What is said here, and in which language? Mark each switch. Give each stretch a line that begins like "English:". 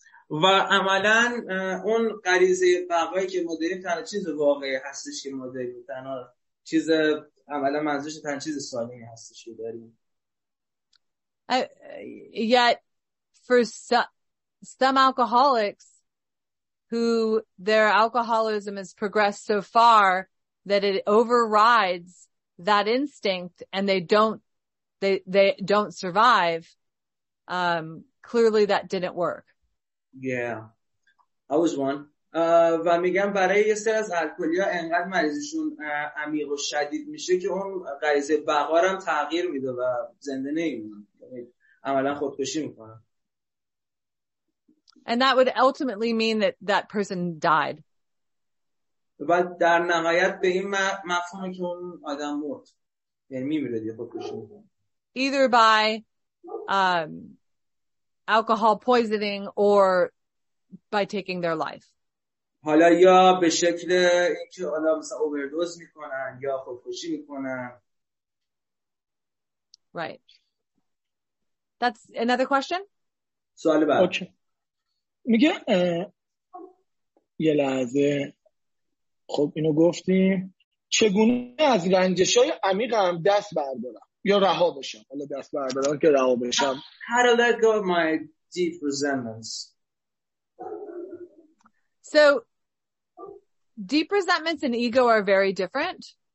Persian: و عملا اون غریزه بقایی که ما داریم تنها چیز واقعی هستش که ما داریم، تنها چیز عملا منظورش تنها چیز سالمی هستش که داریم.
English: Yet for some alcoholics who their alcoholism has progressed so far that it overrides that instinct and they don't survive, clearly that didn't work. Yeah, I was one.
Persian: و میگم برای یه سری از الکلیا انقدر مریضشون عمیق و شدید میشه که اون غریزه بقا هم تغییر میده و زنده نمیمونه، عملا خودکشی میکنه.
English: And that would ultimately mean that person died.
Persian: و در نهایت به این مفهومه که اون آدم مرد، یعنی میمیره دیگه، خودکشی میکنه.
English: Either by alcohol poisoning or by taking their life.
Persian: حالا یا به شکل اینکه حالا مثلا اووردوز میکنن یا خودکشی میکنن.
English: Right. That's another question?
Persian: سوال بعد.
English: Okay.
Persian: میگه یه لحظه، خب اینو گفتیم، چگونه از رنجش‌های عمیقم دست بردارم یا رها بشم؟ حالا دست بردارم که رها بشم.
English: How to let go of my deep resentments. So deep resentments and ego are very different.